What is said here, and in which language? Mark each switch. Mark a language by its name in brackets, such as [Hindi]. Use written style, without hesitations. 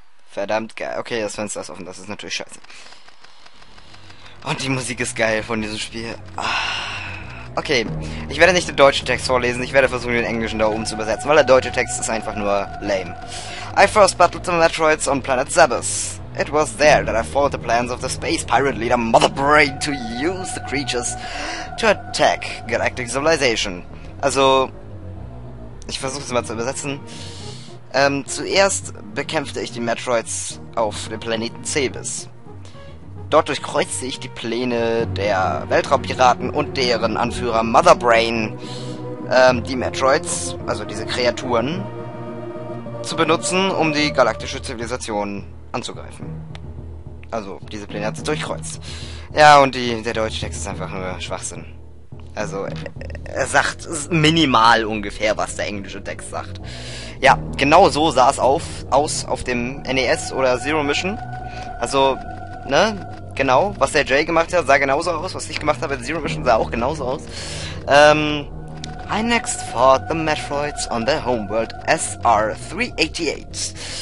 [German] Verdammt geil. Okay, das Fenster ist offen. Das ist natürlich scheiße. Und die Musik ist geil von diesem Spiel. Okay, ich werde nicht den deutschen Text vorlesen. Ich werde versuchen, den englischen da oben zu übersetzen, weil der deutsche Text ist einfach nur lame. [English] I first battled the Metroids on planet Zebes. It was there that I followed the plans of the space pirate leader Mother Brain to use the creatures to attack galactic civilization. [German] Also, ich versuche es mal zu übersetzen. Zuerst bekämpfte ich die Metroids auf dem Planeten Zebes. Dort durchkreuzte ich die Pläne der Weltraumpiraten und deren Anführer Mother Brain, die Metroids, also diese Kreaturen, zu benutzen, um die galaktische Zivilisation anzugreifen. Also, diese Pläne hat sie durchkreuzt. Ja, und der deutsche Text ist einfach nur Schwachsinn. Also, er sagt minimal ungefähr, was der englische Text sagt. Ja, genau so sah es aus auf dem NES oder Zero Mission. Also, ne? Genau, was der Jay gemacht hat, sah genauso aus. Was ich gemacht habe in Zero Mission, sah auch genauso aus. [English] I next fought the Metroids on their homeworld SR388.